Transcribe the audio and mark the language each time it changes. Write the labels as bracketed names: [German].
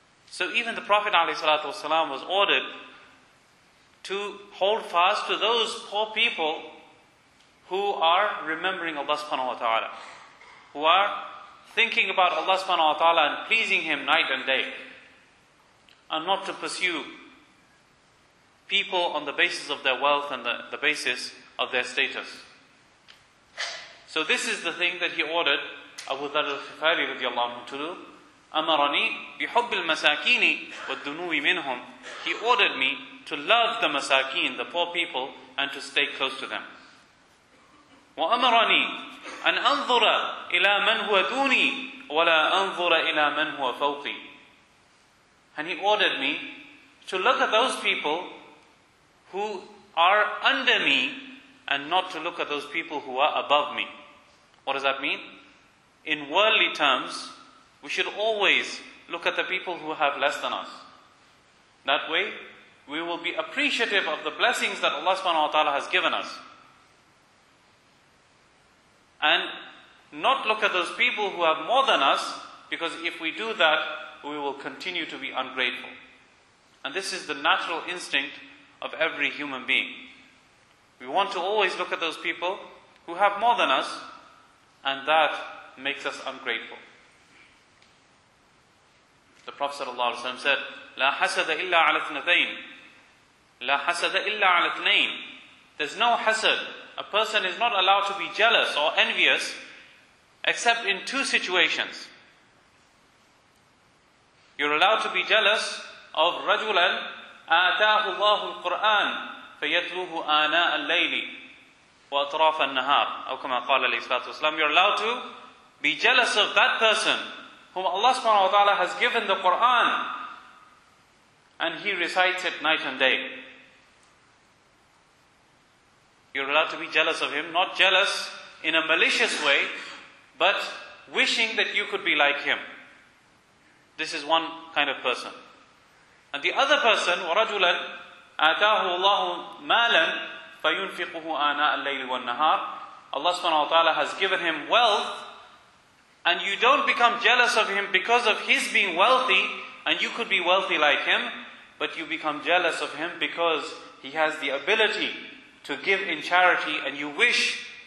[English] So even the Prophet ﷺ was ordered to hold fast to those poor people who are remembering Allah subhanahu wa ta'ala, who are thinking about Allah subhanahu wa ta'ala and pleasing Him night and day, and not to pursue people on the basis of their wealth and the basis of their status. So this is the thing that he ordered Abu Dharr al-Ghifari radiallahu anhu to do. [Arabic] أمرني بحب المساكين والدنو منهم. [English] He ordered me to love the masakeen, the poor people, and to stay close to them. [Arabic] وأمرني أن أنظر إلى من هو دوني ولا أنظر إلى من هو فوقي. [English] And he ordered me to look at those people who are under me and not to look at those people who are above me. What does that mean? In worldly terms, we should always look at the people who have less than us. That way, we will be appreciative of the blessings that Allah subhanahu wa ta'ala has given us. And not look at those people who have more than us, because if we do that, we will continue to be ungrateful. And this is the natural instinct of every human being. We want to always look at those people who have more than us, and that makes us ungrateful. The Prophet ﷺ said, [Arabic] لا حسد إلا على اثنتين. لا حسد إلا على اثنين. [English] There's no hasad. A person is not allowed to be jealous or envious except in two situations. You're allowed to be jealous of [Arabic] رجلاً آتاه الله القرآن فيتلوه آناء الليل وأطراف النهار. أو كما قال عليه الصلاة والسلام, [English] you're allowed to be jealous of that person whom Allah subhanahu wa ta'ala has given the Qur'an, and he recites it night and day. You're allowed to be jealous of him, not jealous in a malicious way, but wishing that you could be like him. This is one kind of person. And the other person, [Arabic] وَرَجُلًا آتَاهُ اللَّهُ مَالًا فَيُنْفِقُهُ آنَاءَ اللَّيْلِ وَالنَّهَارِ. [English] Allah subhanahu wa ta'ala has given him wealth, and you don't become jealous of him because of his being wealthy, and you could be wealthy like him, but you become jealous of him because he has the ability to give in charity, and you wish